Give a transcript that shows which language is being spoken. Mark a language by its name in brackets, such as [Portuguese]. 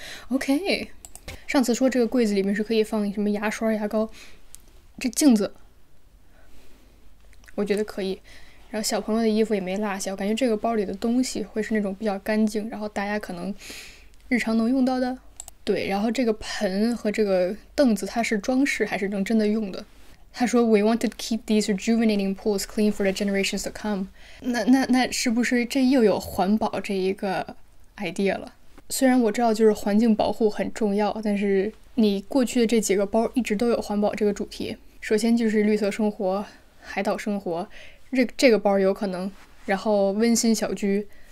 [Chinese] OK， 上次说这个柜子里面是可以放什么牙刷牙膏，这镜子我觉得可以，然后小朋友的衣服也没落下，我感觉这个包里的东西会是那种比较干净，然后大家可能日常能用到的。对，然后这个盆和这个凳子它是装饰还是能真的用的？他说 [English] We want to keep these rejuvenating pools clean for the generations to come. [Chinese] 那是不是这又有环保这一个 idea 了？虽然我知道就是环境保护很重要，但是你过去的这几个包一直都有环保这个主题，首先就是绿色生活、海岛生活，这个包有可能，然后温馨小居。